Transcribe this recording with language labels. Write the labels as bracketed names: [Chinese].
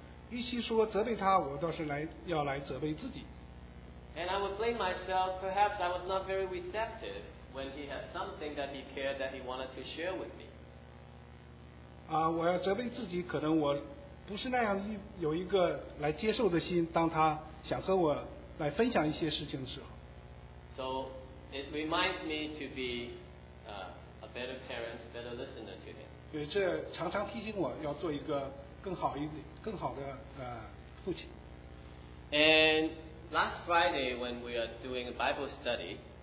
[Chinese] 与其说责备他，我倒是要来责备自己。 [English] And I would blame myself. Perhaps I was not very receptive when he had something that he cared that he wanted to share with me. [Chinese] 我要责备自己，可能我不是那样有一个来接受的心，当他想和我来分享一些事情的时候。 [English] So it reminds me to be. A better parent, better listener to him. [Chinese] 对，这常常提醒我要做一个更好的父亲。 [English] And last Friday when we are doing a Bible study,